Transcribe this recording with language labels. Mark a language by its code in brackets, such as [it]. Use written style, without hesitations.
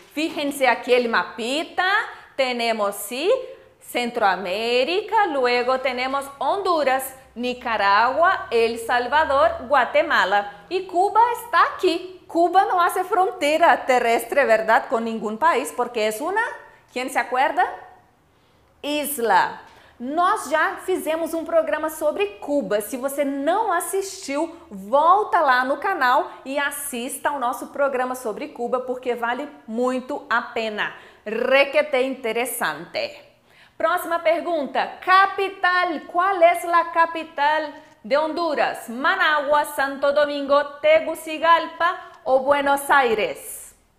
[es] Fíjense aquí el mapita. Tenemos, sí, Centroamérica, luego tenemos Honduras, Nicaragua, El Salvador, Guatemala. Y Cuba está aquí. Cuba no hace frontera terrestre, ¿verdad?, con ningún país, porque es una, ¿quién se acuerda? Isla. [pt] Nós já fizemos um programa sobre Cuba. Se você não assistiu, volta lá no canal e assista ao nosso programa sobre Cuba, porque vale muito a pena. Requete interessante. Próxima pergunta, [es] capital, ¿cuál es la capital de Honduras? ¿Managua, Santo Domingo, Tegucigalpa o Buenos Aires?